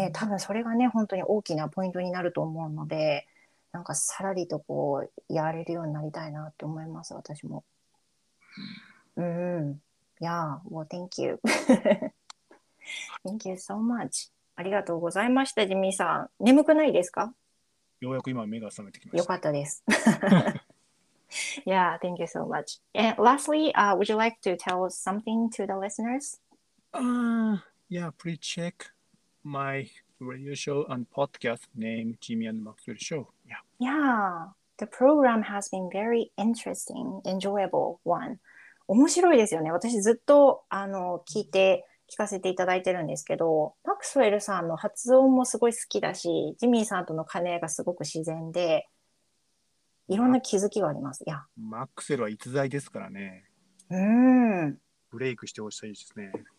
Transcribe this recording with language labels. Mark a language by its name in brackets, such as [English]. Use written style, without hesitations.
[Japanese] ね、多分それがね本当に大きなポイントになると思うので、なんかさらりとこうやれるようになりたいなって思います私も。 [English] Yeah, well, thank you. Thank you so much. [Japanese] ありがとうございました、ジミーさん。眠くないですか？ようやく今目が覚めてきました。よかったです。 [English] Yeah, thank you so much. And lastly, would you like to tell something to the listeners? Yeah, please check my radio show and podcast named Jimmy and Maxwell Show. Yeah. Yeah, the program has been very interesting, enjoyable one. [Japanese] 面白いですよね。私ずっと聞かせていただいてるんですけど、マクスウェルさんの発音もすごい好きだし、ジミーさんとの兼ね合いがすごく自然で、いろんな気づきがあります。いや、マクセルは逸材ですからね。ブレイクしてほしいですね。